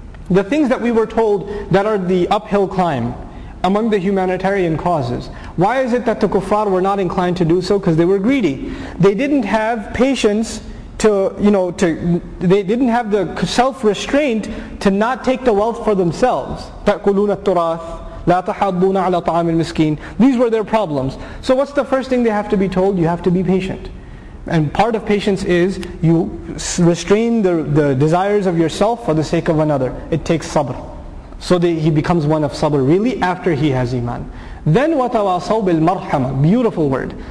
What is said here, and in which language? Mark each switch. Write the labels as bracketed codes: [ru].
[en] The things that we were told that are the uphill climb among the humanitarian causes. Why is it that the kuffar were not inclined to do so? Because they were greedy. They didn't have patience they didn't have the self-restraint to not take the wealth for themselves. [ar] تَأْكُلُونَ التُّرَاثِ لَا تَحَضُّونَ عَلَى طَعَامِ الْمِسْكِينَ [en] These were their problems. So what's the first thing they have to be told? You have to be patient. And part of patience is you restrain the desires of yourself for the sake of another. It takes sabr. So that he becomes one of sabr really after he has iman. Then [ar] وَتَوَاصَوْ بِالْمَرْحَمَةِ [en] Beautiful word.